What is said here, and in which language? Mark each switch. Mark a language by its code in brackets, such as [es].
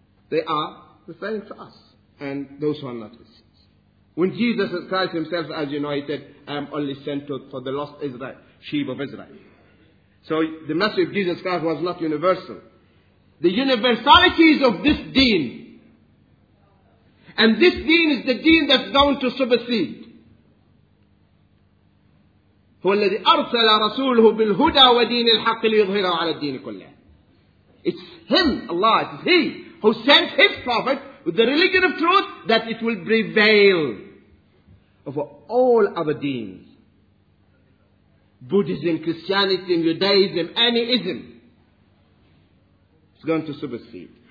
[en] They are referring to us and those who are not his. When Jesus Christ himself, as you know, he said, I am only sent for the lost Israel, sheep of Israel. So the message of Jesus Christ was not universal. The universalities of this deen, and this deen is the deen that's going to supersede. [ar] هو الذي أرسل رسوله بالهدى ودين الحق ليظهره على الدين كله. [en] It's him, Allah, it's he who sent his prophet with the religion of truth that it will prevail. Over all other deens, Buddhism, Christianity, Judaism, any ism, it's going to supersede.